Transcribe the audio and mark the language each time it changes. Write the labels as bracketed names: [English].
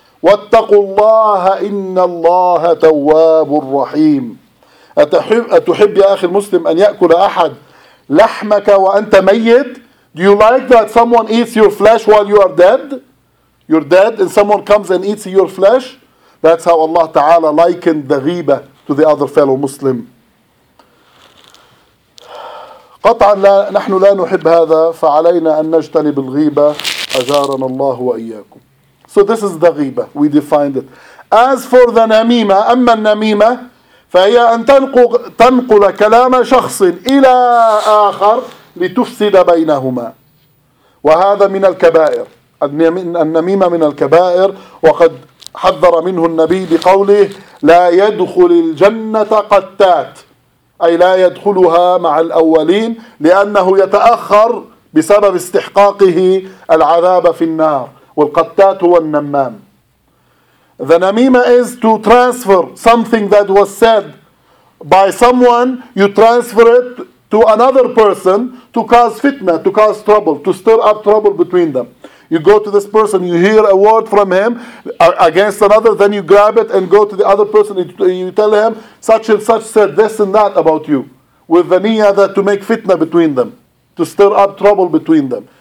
[Arabic] واتقوا الله إن الله تواب رحيم. أتحب يا أخي المسلم أن يأكل أحد لحمك وأنت ميت؟ [English] Do you like that someone eats your flesh while you are dead? You're dead and someone comes and eats your flesh? That's how Allah Ta'ala likened the ghibah to the other fellow Muslim. [Arabic] قطعا لا نحن لا نحب هذا فعلينا أن نجتنب الغيبة أجارنا الله وإياكم. [English] So this is the غيبة, we defined it. As for the [Arabic] نميمة, أما النميمة فهي أن تنقل كلام شخص إلى آخر لتفسد بينهما, وهذا من الكبائر. النميمة من الكبائر, وقد حذر منه النبي بقوله لا يدخل الجنة قتات, أي لا يدخلها مع الأولين لأنه يتأخر بسبب استحقاقه العذاب في النار. والقتات هو النمام. [English] The namima is to transfer something that was said by someone, you transfer it to another person to cause fitna, to cause trouble, to stir up trouble between them. You go to this person, you hear a word from him against another, then you grab it and go to the other person and you tell him such and such said this and that about you, with the niyyah that to make fitna between them, to stir up trouble between them.